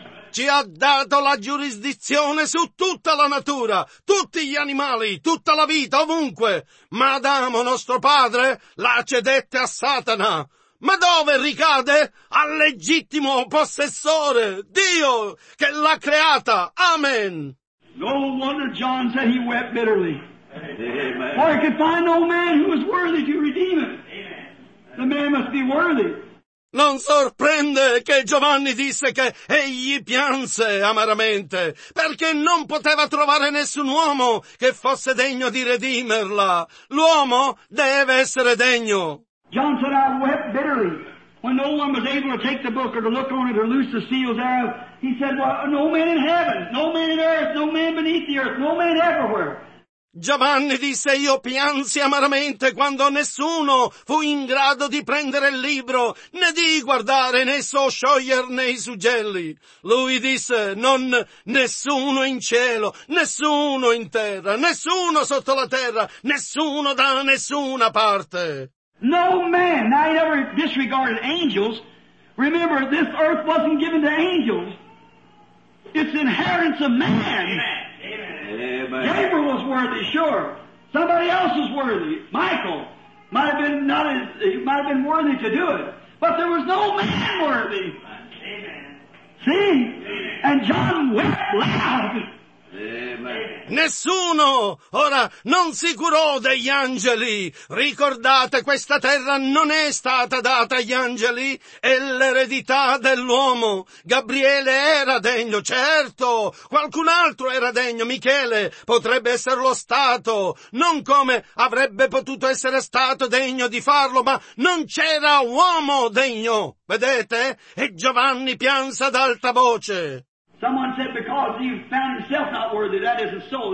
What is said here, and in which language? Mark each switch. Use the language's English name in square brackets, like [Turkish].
[Italian] Ci ha dato la giurisdizione su tutta la natura, tutti gli animali, tutta la vita, ovunque. Ma Adamo, nostro padre, la cedette a Satana. Ma dove ricade? Al legittimo possessore, Dio, che l'ha creata. [English] Amen. No wonder John said he wept bitterly. Amen. For I could find no man who was worthy to redeem it. Amen. The man must be worthy. [Italian] Non sorprende che Giovanni disse che egli pianse amaramente, perché non poteva trovare nessun uomo che fosse degno di redimerla. L'uomo deve essere degno. [English] John said, I wept bitterly when no one was able to take the book or to look on it or loose the seals thereof. He said, well, no man in heaven, no man in earth, no man beneath the earth, no man everywhere. [Italian] Giovanni disse, io piansi amaramente quando nessuno fu in grado di prendere il libro, né di guardare, né so scioglierne i suggelli. Lui disse, non nessuno in cielo, nessuno in terra, nessuno sotto la terra, nessuno da nessuna parte. [English] No man, I never disregarded angels. Remember, this earth wasn't given to angels. It's inheritance of man. Amen. Gabriel was worthy, sure. Somebody else was worthy. Michael might have been not as, might have been worthy to do it. But there was no man worthy. Amen. See? Amen. And John wept loud. [Italian] Nessuno ora non si curò degli angeli. Ricordate, questa terra non è stata data agli angeli, è l'eredità dell'uomo. Gabriele era degno, certo, qualcun altro era degno, Michele potrebbe esserlo stato, non come avrebbe potuto essere stato degno di farlo, ma non c'era uomo degno, vedete? E Giovanni pianse ad alta voce. [English] Someone said, because he found himself not worthy, that is a soul.